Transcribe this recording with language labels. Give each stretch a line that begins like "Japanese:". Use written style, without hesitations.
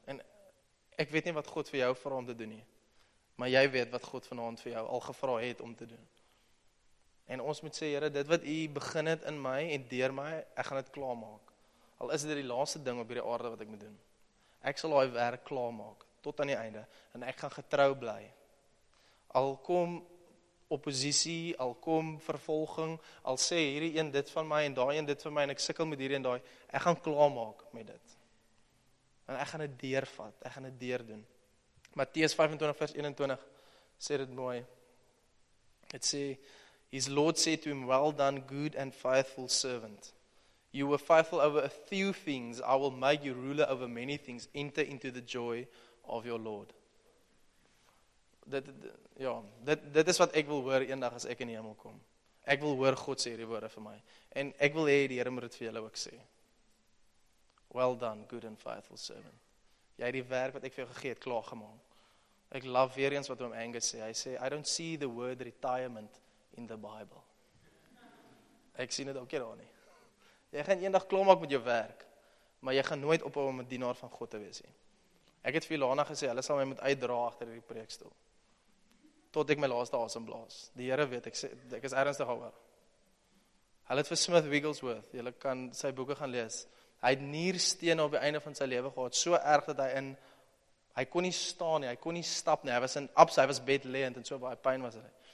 Afrikaans: En ek weet nie wat God vir jou vra om te doen nie. Maar jy weet wat God vanaand vir jou al gevra het om te doen. En ons moet sê, Here, dit wat u begin het in my en deur my, ek gaan dit klaarmaak. Al is dit die laaste ding op hierdie aarde wat ek moet doen. Ek sal daai werk klaarmaak, tot aan die einde. En ek gaan getrou bly. Al kom oppositie, al kom vervolging, al sê hierdie een dit van my en daai een dit van my, en ek sikkel met hierdie en daai, ek gaan klaarmaak met dit. En ek gaan dit deurvat, ek gaan dit deur doen. Matteus 25 vers 21 sê dit mooi. Dit sê,
English: His Lord said to him, well done, good and faithful servant. You were faithful over a few things, I will make you ruler over many things. Enter into the joy of your Lord.
Afrikaans: Dit is wat ek wil hoor eendag as ek in die hemel kom. Ek wil hoor God sê die woorde vir my. En ek wil hê die Here moet dit vir julle ook sê.
English: Well done, good and faithful servant.
Afrikaans: Jy het die werk wat ek vir jou gegee het klaargemaak. Ek love weer eens wat Oom Angus sê. Hy sê,
English: I don't see the word retirement in the Bible.
Afrikaans: Ek sien dit ook hier al nie. Jy gaan eendag klaarmaak met jou werk, maar jy gaan nooit ophou om 'n dienaar van God te wees nie. Ek het vir Lana gesê, hulle sal my moet uitdra agter hierdie preekstoel. Tot ek my laaste asem blaas. Die Here weet, ek is ernstig oor. Hulle het vir Smith Wigglesworth, julle kan sy boeke gaan lees, hy het nierstene op die einde van sy lewe gehad, so erg dat hy kon nie staan nie, hy kon nie stap nie, hy was bedlegend en so baie pyn was hy.